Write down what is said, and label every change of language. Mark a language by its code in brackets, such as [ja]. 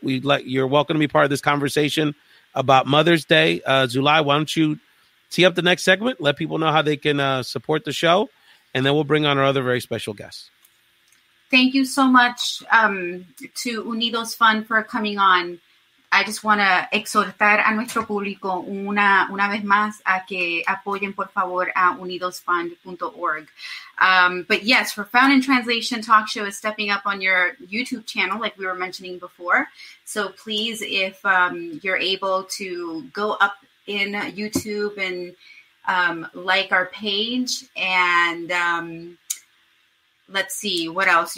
[en] You're welcome to be part of this conversation about Mother's Day. Sulaih, why don't you tee up the next segment? Let people know how they can support the show. And then we'll bring on our other very special guests. Thank you so much to Unidos Fund for coming on. I just want to [es] exhortar a nuestro público una vez más a que apoyen, por favor, a unidosfund.org. [en] But yes, for Found in Translation Talk Show is stepping up on your YouTube channel, like we were mentioning before. So please, if you're able to go up in YouTube and like our page and let's see what else.